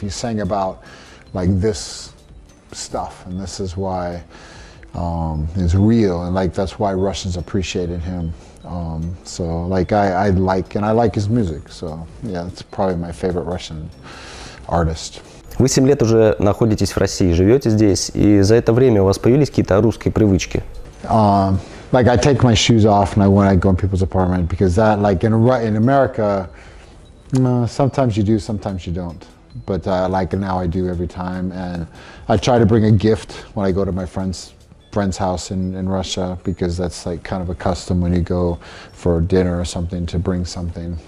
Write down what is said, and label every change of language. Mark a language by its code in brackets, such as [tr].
[en] He sang about, like, this stuff, and this is why it's real, and, like, that's why Russians appreciated him. So I like his music. So, yeah, it's probably my favorite Russian artist. [ru] Вы 7 лет уже находитесь в России, живете здесь, и за это время у вас появились какие-то русские привычки? [en] Like, I take my shoes off when I go in people's apartment, because that, like, in America, sometimes you do, sometimes you don't. But, like, now I do every time, and I try to bring a gift when I go to my friend's house in Russia, because that's, like, kind of a custom when you go for dinner or something, to bring something.